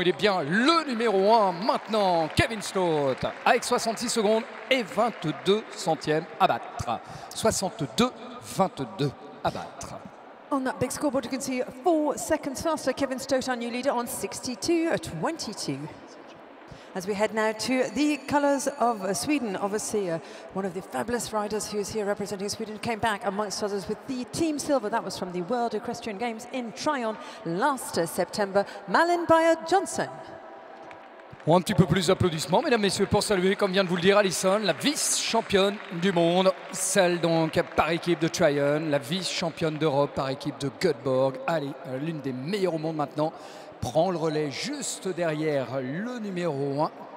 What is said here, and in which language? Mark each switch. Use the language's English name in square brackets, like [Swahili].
[French] Il est bien le numéro 1 maintenant, Kevin Stout, avec 66 secondes et 22 centièmes à battre. 62-22 à battre. [English] On that big scoreboard, you can see 4 seconds faster, Kevin Stout, our new leader, on 62-22. As we head now to the colours of Sweden, obviously one of the fabulous riders who is here representing Sweden came back amongst others with the team silver. That was from the World Equestrian Games in Tryon last September, Malin Beyer-Johnson. [French] Un petit peu plus d'applaudissements, mesdames, messieurs, pour saluer, comme vient de vous le dire Alison, la vice-championne du monde, celle donc par équipe de Tryon, la vice-championne d'Europe par équipe de Göteborg. Allez, l'une des meilleures au monde maintenant, prend le relais juste derrière le numéro 1.